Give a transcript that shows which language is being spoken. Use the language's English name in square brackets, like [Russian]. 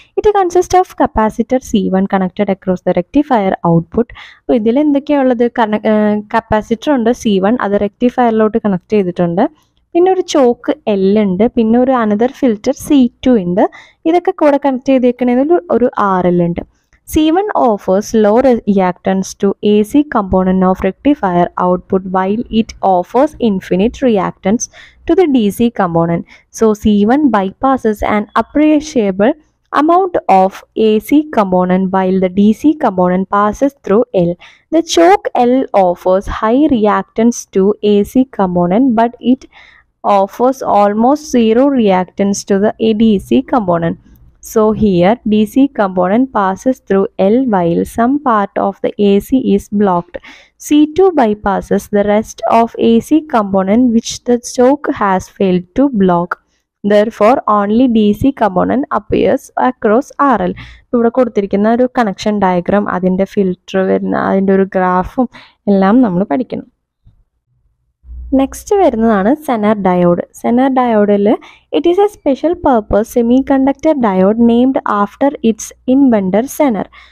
[English] It consist of capacitor C one connected across the rectifier output. [Malayalam] അപ്പോൾ ഇതിൽ എന്തൊക്കെയുള്ളത്, capacitor ഉണ്ട് C one, അത് റെക്ടിഫയറിലോട്ട് connect ചെയ്തിട്ടുണ്ട്. പിന്നെ ഒരു ചോക്ക് എൽ ഉണ്ട്, പിന്നെ ഒരു അനദർ ഫിൽറ്റർ സി ടു ഉണ്ട്. ഇതൊക്കെ കൂടെ കണക്ട് ചെയ്തേക്കണതിൽ ഒരു ആർ എൽ ഉണ്ട്. [English] C1 offers low reactance to AC component of rectifier output while it offers infinite reactance to the DC component. So C1 bypasses an appreciable amount of AC component while the DC component passes through L. The choke L offers high reactance to AC component but it offers almost zero reactance to the DC component. So here DC component passes through L while some part of the AC is blocked. C2 bypasses the rest of AC component which the choke has failed to block. Therefore only DC component appears across RL. [Malayalam] ഇവിടെ കൊടുത്തിരിക്കുന്ന ഒരു connection diagram, അതിൻ്റെ filter വരുന്ന അതിൻ്റെ ഒരു ഗ്രാഫും എല്ലാം നമ്മൾ പഠിക്കണം. നെക്സ്റ്റ് വരുന്നതാണ് Zener diode. Zener ഡയോഡിൽ [English] It is a special purpose semiconductor diode named after its inventor Zener.